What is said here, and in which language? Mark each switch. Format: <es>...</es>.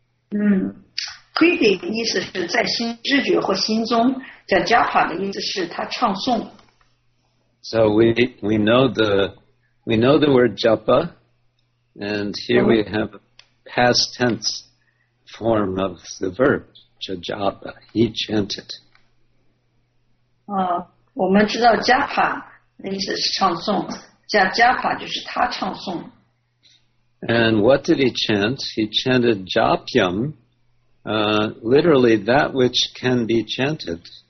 <zh>的意思是在心知觉或心中，叫japa的意思是他唱诵。</zh> <en>So we know the word japa, and here we have a past tense form of the verb. Japa, he chanted.</en> <zh>我们知道 japa 的意思是唱诵，叫 japa 就是他唱诵。</zh> <en>And what did he chant? He chanted japyam, literally that which can be chanted.</en>